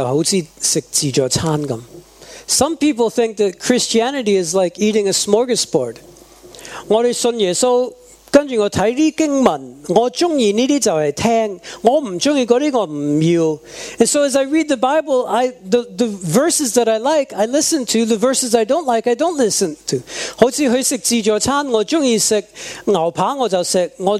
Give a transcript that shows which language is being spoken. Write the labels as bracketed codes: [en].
[en] Some people think that Christianity is like eating a smorgasbord. [zh] 我们信耶稣,跟着我看这经文,我喜欢这些就是听,我不喜欢那些我不要。 [en] And so as I read the Bible, the verses that I like, I listen to. The verses I don't like, I don't listen to. [zh] 好像他吃自助餐,我喜欢吃牛扒,我就吃。